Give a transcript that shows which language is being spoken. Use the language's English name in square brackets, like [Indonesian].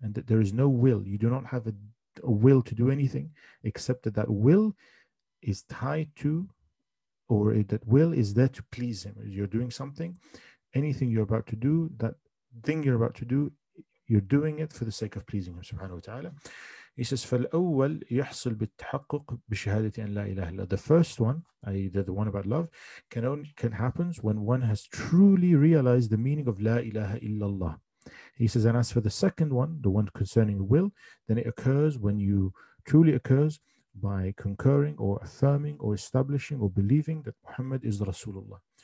[English] And that there is no will. You do not have a will to do anything, except that will is tied to, or that will is there to please Him. You're doing something, anything you're about to do, that thing you're about to do, you're doing it for the sake of pleasing Him, subhanahu wa ta'ala. He says, [Arabic] فَالْأَوَّلْ يَحْصُلْ بِالتَّحَقُّقْ بِشَهَادَةِ أَنْ لَا إِلَهَ إِلَّا. [English] The first one, i.e. the one about love, can happen when one has truly realized the meaning of La ilaha illallah. He says, and as for the second one, the one concerning will, then it occurs when you truly occurs by concurring or affirming or establishing or believing that Muhammad is Rasulullah.